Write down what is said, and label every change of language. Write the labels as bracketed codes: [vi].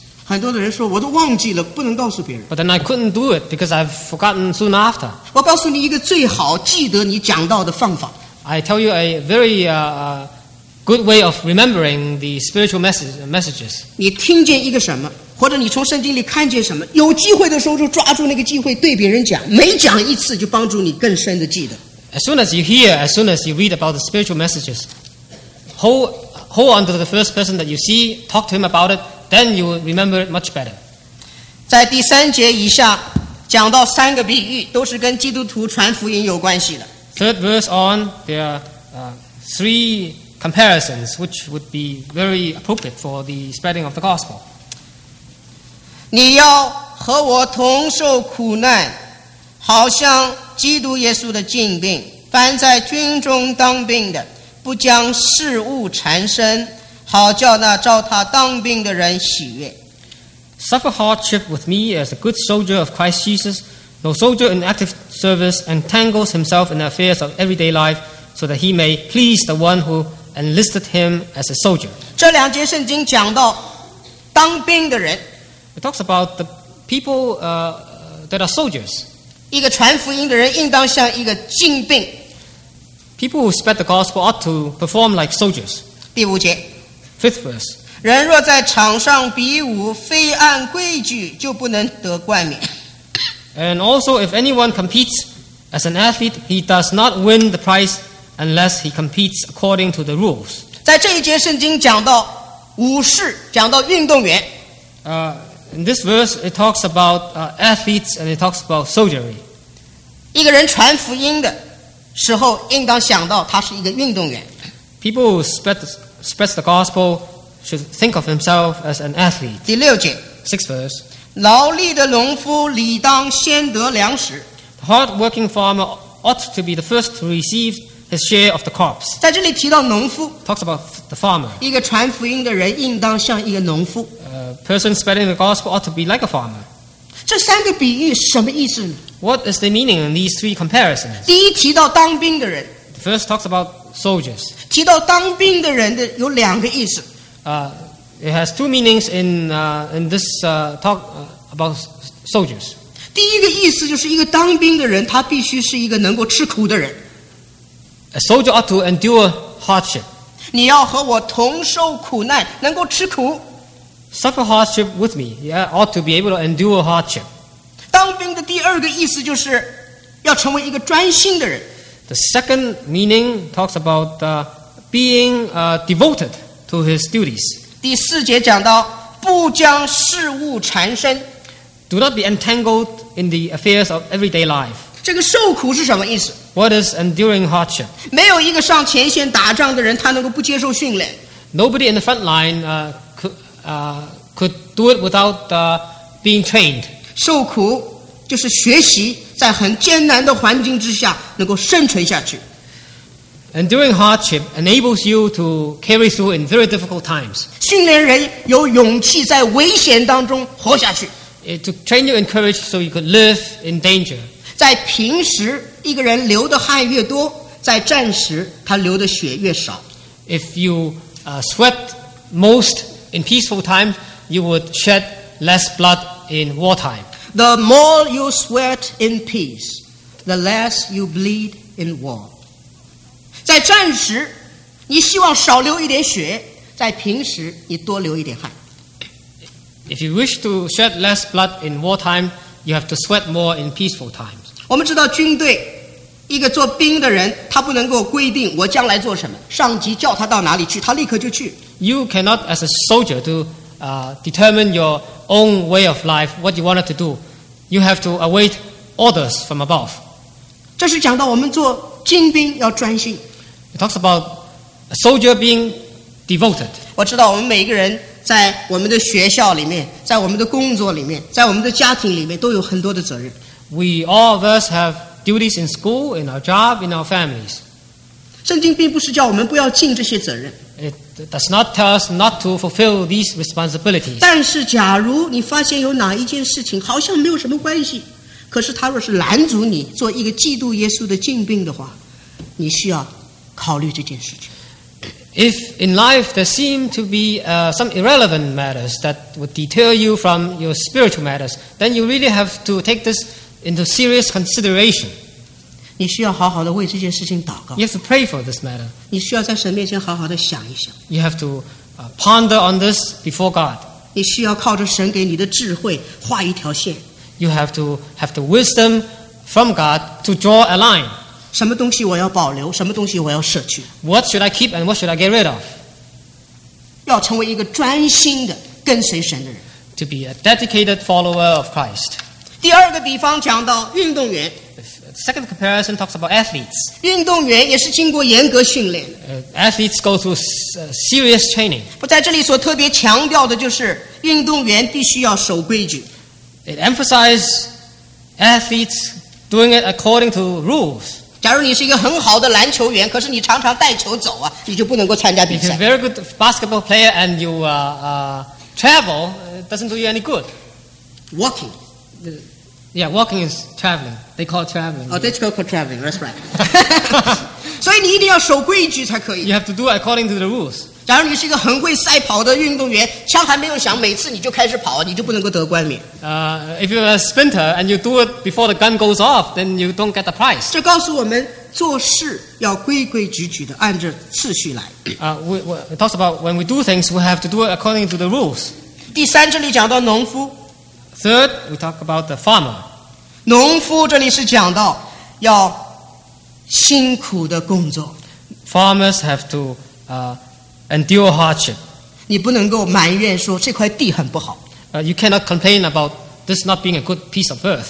[zh] 很多的人说我都忘记了，不能告诉别人。 [en] But then I couldn't do it because I've forgotten soon after. [zh] 我告诉你一个最好记得你讲到的方法。 [en] I tell you a very good way of remembering the spiritual messages. [zh] 你听见一个什么？或者你从圣经里看见什么，有机会的时候就抓住那个机会对别人讲，每讲一次就帮助你更深的记得。 [en] As soon as you hear, as soon as you read about the spiritual messages, hold on to the first person that you see, talk to him about it, then you will remember it much better. [zh] 在第三节以下讲到三个比喻，都是跟基督徒传福音有关系的。 [en] Third verse on, there are three comparisons which would be very appropriate for the spreading of the gospel. [zh] 你要和我同受苦难，好像基督耶稣的禁令。凡在军中当兵的，不将事物缠身，好叫那照他当兵的人喜悦。 [en] Suffer hardship with me as a good soldier of Christ Jesus. No soldier in active service entangles himself in the affairs of everyday life, so that he may please the one who enlisted him as a soldier. [zh] 这两节圣经讲到当兵的人。 [en] It talks about the people that are soldiers. [zh] 一个传福音的人应当像一个禁兵。 [en] People who spread the gospel ought to perform like soldiers. [zh] 第五节。 [en] Fifth verse. [zh] 人若在场上比武，非按规矩，就不能得冠冕。 [en] And also, if anyone competes as an athlete, he does not win the prize unless he competes according to the rules. [zh] 在这一节圣经讲到武士，讲到运动员。 [en] In this verse, it talks about athletes and it talks about soldiery. [zh] 一个人传福音的时候，应当想到他是一个运动员。 [en] People who spread the gospel should think of himself as an athlete. [zh] 第六节。 [en] Sixth verse. [zh] 劳力的农夫理当先得粮食。 [en] The hard-working farmer ought to be the first to receive his share of the crops. [zh] 在这里提到农夫。 [en] Talks about the farmer. [zh] 一个传福音的人应当像一个农夫。 [en] Person spreading the gospel ought to be like a farmer. [zh] 这三个比喻什么意思呢？ [en] What is the meaning in these three comparisons? [zh] 第一提到当兵的人。 [en] The first talks about soldiers. [zh] 提到当兵的人的有两个意思。 [en] It has two meanings in this talk about soldiers. [zh] 第一个意思就是一个当兵的人，他必须是一个能够吃苦的人。 [en] A soldier ought to endure hardship. [zh] 你要和我同受苦难，能够吃苦。 [en] Suffer hardship with me. Yeah, ought to be able to endure hardship. [zh] 当兵的第二个意思就是要成为一个专心的人。 [en] The second meaning talks about being devoted to his duties. [zh] 第四节讲到不将事物缠身。 [en] Do not be entangled in the affairs of everyday life. [zh] 这个受苦是什么意思？ [en] What is enduring hardship? [zh] 没有一个上前线打仗的人，他能够不接受训练。 [en] Nobody in the front line could do it without being trained. [zh] 受苦就是学习在很艰难的环境之下能够生存下去。 [en] Enduring hardship enables you to carry through in very difficult times. [zh] 训练人有勇气在危险当中活下去。 [en] To train you in courage so you could live in danger. [zh] 在平时一个人流的汗越多，在战时他流的血越少。 [en] If you sweat most in peaceful time, you would shed less blood in wartime. The more you sweat in peace, the less you bleed in war. [zh] 在战时，你希望少流一点血，在平时你多流一点汗。 [en] If you wish to shed less blood in wartime, you have to sweat more in peaceful times. [zh] 我们知道军队，一个做兵的人，他不能够规定我将来做什么，上级叫他到哪里去，他立刻就去。 [en] You cannot, as a soldier, to determine your own way of life, what you wanted to do. You have to await orders from above. [zh] 这是讲到我们做精兵要专心。 [en] It talks about a soldier being devoted. [zh] 我知道我们每一个人在我们的学校里面，在我们的工作里面，在我们的家庭里面，都有很多的责任。 [en] We all of us have duties in school, in our job, in our families. [zh] 圣经并不是叫我们不要尽这些责任。 [en] It does not tell us not to fulfill these responsibilities. [zh] 但是，假如你发现有哪一件事情好像没有什么关系，可是它若是拦阻你做一个基督耶稣的精兵的话，你需要考虑这件事情。 [en] If in life there seem to be some irrelevant matters that would deter you from your spiritual matters, then you really have to take this into serious consideration. [zh] 你需要好好的为这件事情祷告。 [en] You have to pray for this matter. [zh] 你需要在神面前好好的想一想。 [en] You have to ponder on this before God. [zh] 你需要靠着神给你的智慧画一条线。 [en] You have to wisdom from God to draw a line. [zh] 什么东西我要保留，什么东西我要舍去。 [en] What should I keep and what should I get rid of? [zh] 要成为一个专心的跟随神的人。 [en] To be a dedicated follower of Christ. [zh] 第二个比方讲到运动员。 [en] The second comparison talks about athletes. [zh] 运动员也是经过严格训练。 [en] Athletes go through serious training. [zh] 我在这里所特别强调的就是运动员必须要守规矩。 [en] It emphasizes athletes doing it according to rules. [zh] 假如你是一个很好的篮球员，可是你常常带球走啊，你就不能够参加比赛。 [en] If you're a very good basketball player and you travel, it doesn't do you any good. Walking. Yeah, walking is traveling. They call it traveling. Oh, that's called traveling. That's right. [zh] 所以你一定要守规矩才可以。 [en] You have to do according to the rules. [zh] 假如你是一个很会赛跑的运动员，枪还没有响，每次你就开始跑，你就不能够得冠冕。 [en] If you're a sprinter and you do it before the gun goes off, then you don't get the prize. [zh] 这告诉我们做事要规规矩矩的，按着次序来。 [en] It talks about when we do things, we have to do it according to the rules. [zh] 第三，这里讲到农夫。 [en] Third, we talk about the farmer. [zh] 农夫这里是讲到要辛苦的工作。 [en] Farmers have to endure hardship. [zh] 你不能够埋怨说这块地很不好。 [en] You cannot complain about this not being a good piece of earth.